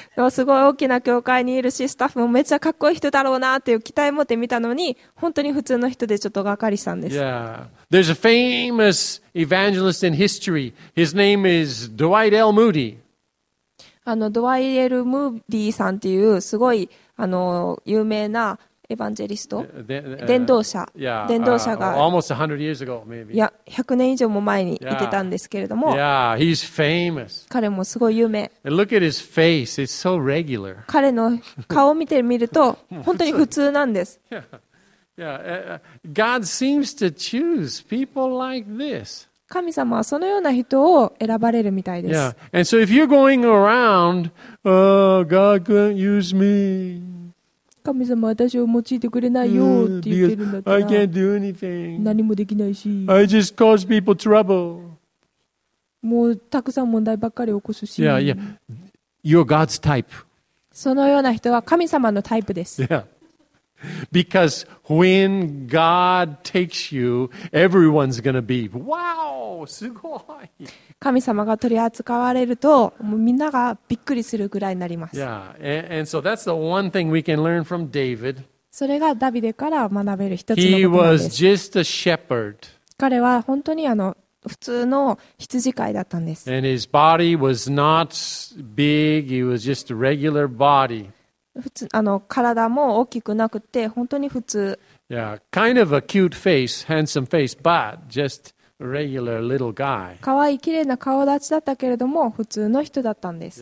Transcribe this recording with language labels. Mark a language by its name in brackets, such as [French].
[Japanese] すごい大きな教会にいるしスタッフもめっちゃかっこいい人だろうなっていう期待を持って見たのに本当に普通の人でちょっとがっかりしたんです。 [English] Yeah. There's a famous evangelist in history. His name is Dwight L. Moody. [Japanese] ドワイエル・ムーディーさんっていうすごい有名なエヴァンジェリスト、伝道者、伝道者が、 [English] almost 100 years ago, maybe. [Japanese] いや、100年以上も前にいてたんですけれども、 [English] he's famous. [Japanese] 彼もすごい有名。 [English] Look at his face, it's so regular. [Japanese] 彼の顔を見てみると、本当に普通なんです。 [English] God seems to choose people like this. [Japanese] 神様はそのような人を選ばれるみたいです。 [English] Yeah. And so if you're going around, God couldn't use me. [Japanese] 神様は私を用いてくれないよって言ってるんだったら、何もできないし。 [English] I just cause people trouble. [Japanese] もうたくさん問題ばっかり起こすし。 [English] Yeah, yeah. You're God's type. [Japanese] そのような人は神様のタイプです。 [English] Yeah. Because when God takes you, everyone's going to be, wow, [Japanese] すごい。神様が取り扱われると、もうみんながびっくりするぐらいになります。 [English] Yeah, and so that's the one thing we can learn from David. [Japanese] それがダビデから学べる一つのことです。 [English] He was just a shepherd. [Japanese] 彼は本当に普通の羊飼いだったんです。 [English] And his body was not big, he was just a regular body. [Japanese] 普通体も大きくなくて本当に普通。 [English] Yeah, kind of a cute face, handsome face, but just a regular little guy. [Japanese] 可愛い綺麗な顔立ちだったけれども普通の人だったんです。